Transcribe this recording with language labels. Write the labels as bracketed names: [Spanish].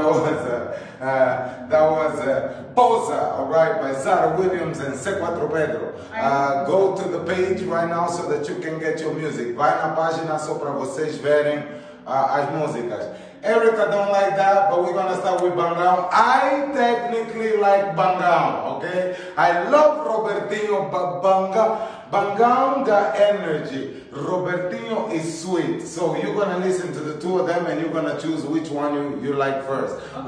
[English] Posa, alright, by Sara Williams and C4 Pedro. Go to the page right now so that you can get your music. [Portuguese] Vai na página só para vocês verem as músicas. [English] Erica don't like that, but we're gonna start with Bangão. I technically like Bangão, okay? I love Robertinho, but Bangão got energy. Robertinho is sweet. So you're gonna listen to the two of them and you're gonna choose which one you like first. Okay.